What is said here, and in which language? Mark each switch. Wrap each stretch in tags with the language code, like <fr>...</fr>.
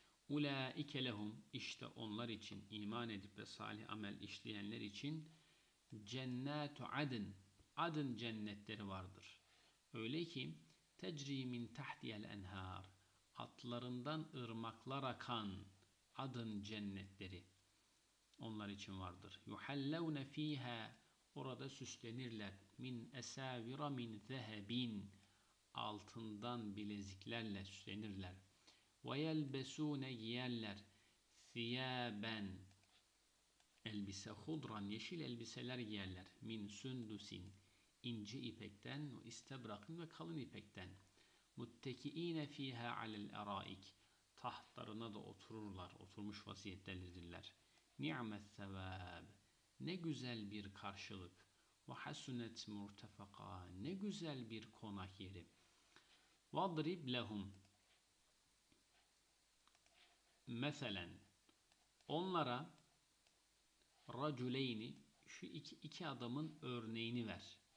<ar>اُولَٰئِكَ لَهُمْ</ar> <tr>işte onlar için iman edip ve salih amel işleyenler için cennetu adın adın cennetleri vardır. Öyle ki</tr> <ar>تَجْرِي مِنْ تَحْتِيَ الْاَنْهَارِ</ar> <tr>atlarından ırmaklar akan adın cennetleri onlar için vardır.</tr> <ar>يُحَلَّوْنَ ف۪يهَا</ar> <tr>orada süslenirler.</tr> <ar>مِنْ اَسَاوِرَ مِنْ ذَهَب۪ين</ar> <tr>altından bileziklerle süslenirler.</tr> <ar>وَيَلْبَسُونَ</ar> <tr>giyerler</tr> <ar>ثِيَابًا</ar> <tr>elbise hudran yeşil elbiseler giyerler</tr> <ar>مِنْ سُنْدُسٍ</ar> <tr>ince ipekten istebrakın ve kalın ipekten</tr> <ar>مُتَّكِئِينَ ف۪يهَا عَلَى الْاَرَائِكِ</ar> <tr>tahtlarına da otururlar oturmuş vaziyettelerdirler</tr> <ar>نِعْمَ الثَّوَابِ</ar> <tr>ne güzel bir karşılık</tr> <ar>وَحَسُنَتْ مُرْتَفَقَى</ar> <tr>ne güzel bir konak yeri</tr> <ar>وَضْرِبْ لَهُمْ</ar> <tr>mesela onlara raculeyni şu iki adamın örneğini ver.</tr>